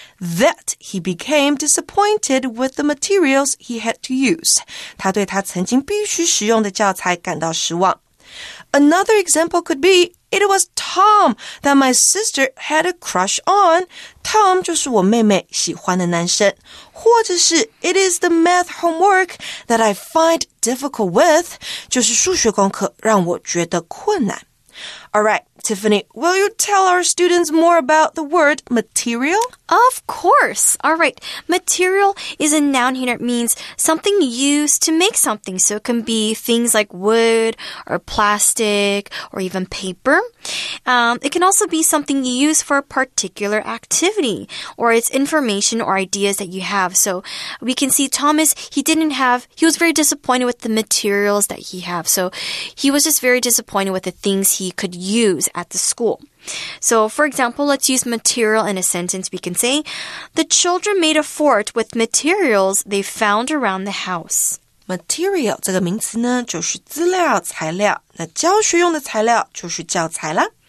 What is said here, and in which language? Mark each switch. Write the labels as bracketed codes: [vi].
[en] that he became disappointed with the materials he had to use [zh] 他对他曾经必须使用的教材感到失望 [en] Another example could beIt was Tom that my sister had a crush on. [zh] Tom 就是我妹妹喜欢的男生。或者是 [en] It is the math homework that I find difficult with. [zh] 就是数学功课让我觉得困难。 [en] All right, Tiffany, will you tell our students more about the word material? Of course. All right, material is a noun here. It means something used to make something. So it can be things like wood or plastic or even paper. It can also be something you use for a particular activity or it's information or ideas that you have. So we can see Thomas, he was very disappointed with the materials that he have. So he was just very disappointed with the things he could use at the school. So, for example, let's use material in a sentence. We can say, the children made a fort with materials they found around the house. [zh] Material, 这个名词呢,就是资料,材料。那教学用的材料就是教材啦。